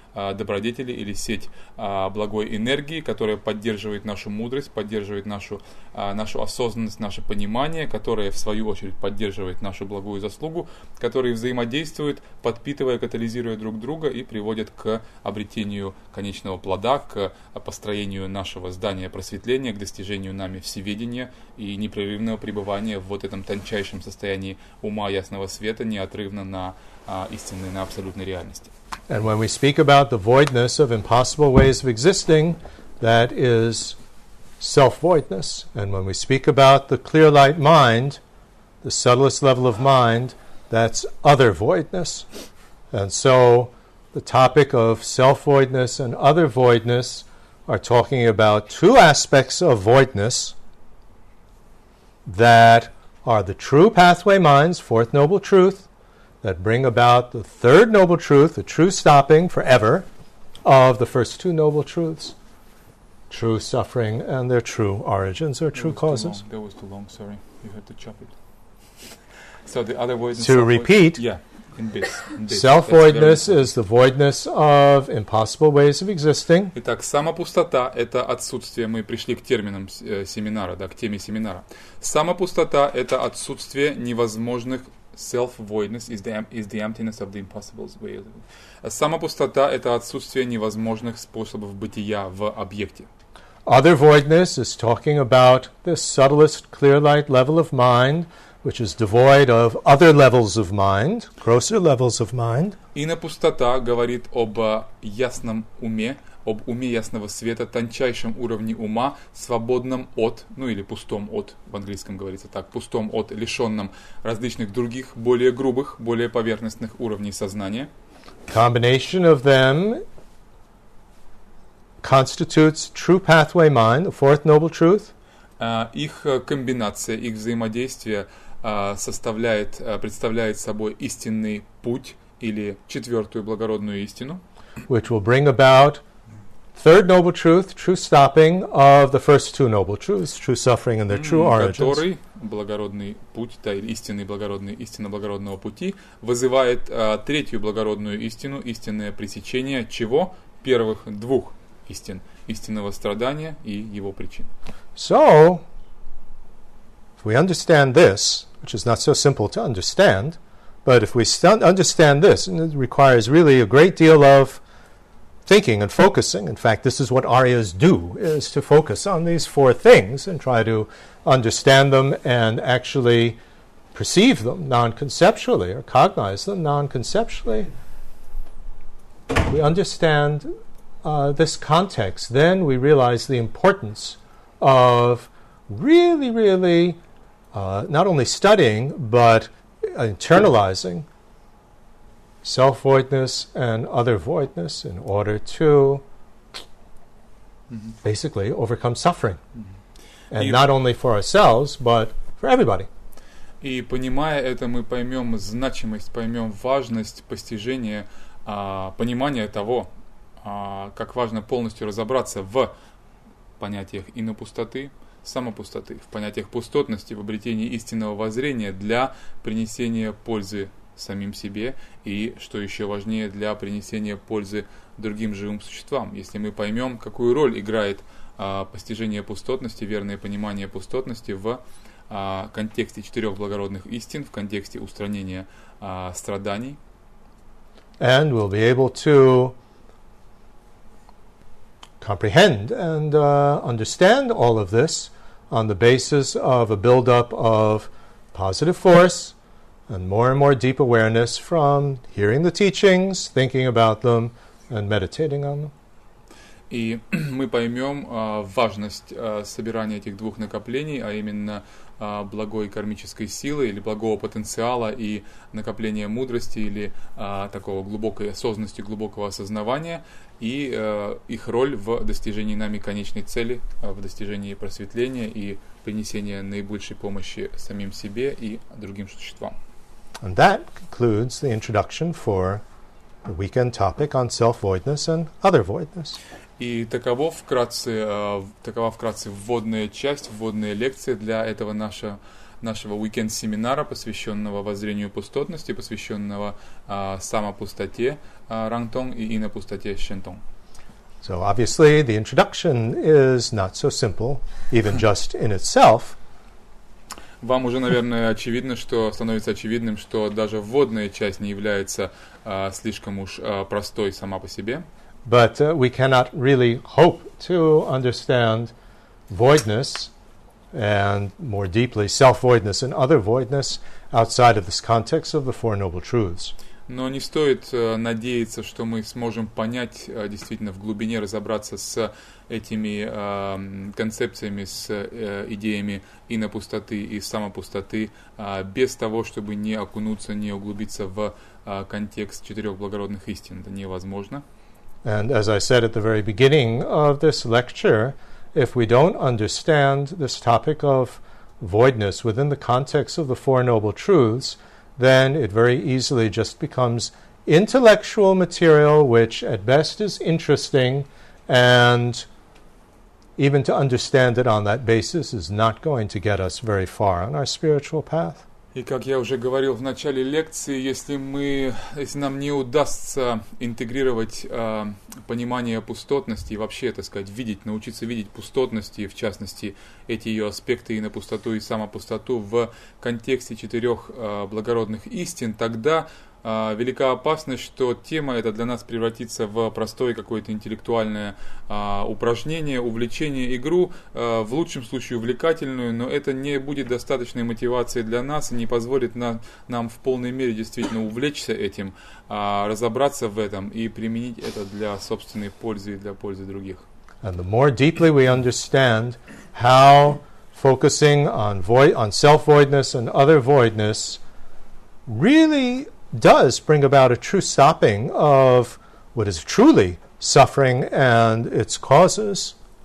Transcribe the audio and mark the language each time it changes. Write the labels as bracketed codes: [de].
[ru] добродетели или сеть благой энергии, которая поддерживает нашу мудрость, поддерживает нашу осознанность, наше понимание, которое, в свою очередь, поддерживает нашу благую заслугу, которые взаимодействуют, подпитывая, катализируя друг друга и приводят к обретению конечного плода, к построению нашего здания просветления, к достижению нами всеведения и непрерывного пребывания в вот этом тончайшем состоянии ума ясного света, неотрывно на истинной, на абсолютной реальности. [en] And when we speak about the voidness of impossible ways of existing, that is self-voidness. And when we speak about the clear light mind, the subtlest level of mind, that's other voidness. And so the topic of self-voidness and other voidness are talking about two aspects of voidness that are the true pathway minds, fourth noble truth, that bring about the third noble truth, the true stopping forever of the first two noble truths, true suffering and their true origins or true causes. That was too long, sorry. You had to chop it. So the other voidness... To repeat... Yeah, in this. Self-voidness is the voidness of impossible ways of existing. [ru] Итак, самопустота – это отсутствие. Мы пришли к терминам семинара, да, к теме семинара. Самопустота – это отсутствие невозможных... [en] Self-voidness is the emptiness of the impossible way of living. [ru] Самопустота – это отсутствие невозможных способов бытия в объекте. [en] Other voidness is talking about the subtlest clear light level of mind, which is devoid of other levels of mind, grosser levels of mind. [ru] Инопустота говорит об ясном уме, об уме ясного света, тончайшем уровне ума, свободном от, ну или пустом от, в английском говорится так, пустом от, лишенном различных других, более грубых, более поверхностных уровней сознания. [en] Combination of them constitutes true pathway mind, the fourth noble truth. [ru] Их комбинация, их взаимодействие представляет собой истинный путь или четвертую благородную истину. [en] Which will bring about third noble truth, true stopping of the first two noble truths, true suffering and their true origins. [ru] Который благородный путь, да, истинный благородный, истина благородного пути, вызывает третью благородную истину, истинное пресечение чего? Первых двух истин, истинного страдания и его причин. [en] So, if we understand this, which is not so simple to understand, but if we understand this, and it requires really a great deal of thinking and focusing. In fact, this is what Aryas do, is to focus on these four things and try to understand them and actually perceive them non-conceptually or cognize them non-conceptually. We understand this context. Then we realize the importance of really, really not only studying, but internalizing self-voidness and other voidness in order to basically overcome suffering. And not only for ourselves, but for everybody. [ru] И понимая это, мы поймем значимость, поймем важность постижения, понимания того, как важно полностью разобраться в понятиях инопустоты, самопустоты, в понятиях пустотности, в обретении истинного воззрения для принесения пользы самим себе и, что еще важнее, для принесения пользы другим живым существам. Если мы поймем, какую роль играет постижение пустотности, верное понимание пустотности в контексте четырех благородных истин, в контексте устранения страданий. [en] And we'll be able to comprehend and understand all of this on the basis of a build-up of positive force, and more and more deep awareness from hearing the teachings, thinking about them, and meditating on them. [ru] И мы поймем важность собирания этих двух накоплений, а именно благой кармической силы или благого потенциала и накопления мудрости или такого глубокой осознанности, глубокого осознавания и их роль в достижении нами конечной цели, в достижении просветления и принесении наибольшей помощи самим себе и другим существам. [en] And that concludes the introduction for the weekend topic on self-voidness and other voidness. [ru] И такова вкратце вводная часть, вводная лекция для этого нашего нашего уикенд-семинара, посвященного воззрению пустотности, посвященного самопустоте рангтонг и инопустоте шентонг. [en] So obviously the introduction is not so simple, even just in itself. [ru] Вам уже, наверное, очевидно, что становится очевидным, что даже вводная часть не является слишком уж простой сама по себе. [en] But we cannot really hope to understand voidness and more deeply self-voidness and other voidness outside of this context of the Four Noble Truths. [ru] Но не стоит надеяться, что мы сможем понять, действительно, в глубине разобраться с этими концепциями, с идеями инопустоты и самопустоты, без того, чтобы не окунуться, не углубиться в контекст четырех благородных истин. Это невозможно. [en] And as I said at the very beginning of this lecture, if we don't understand this topic of voidness within the context of the Four Noble Truths, then it very easily just becomes intellectual material, which at best is interesting, and even to understand it on that basis is not going to get us very far on our spiritual path. [ru] И как я уже говорил в начале лекции, если нам не удастся интегрировать понимание пустотности, вообще, так сказать, видеть, научиться видеть пустотности, в частности, эти ее аспекты и на пустоту, и самопустоту в контексте четырех благородных истин, тогда велика опасность, что тема эта для нас превратится в простое какое-то интеллектуальное упражнение, увлечение, игру, в лучшем случае увлекательную, но это не будет достаточной мотивацией для нас и не позволит нам в полной мере действительно увлечься этим, разобраться в этом и применить это для собственной пользы и для пользы других. [en] And the more deeply we understand how focusing on self-voidness and other voidness really does bring about a true stopping of what is truly suffering and its causes.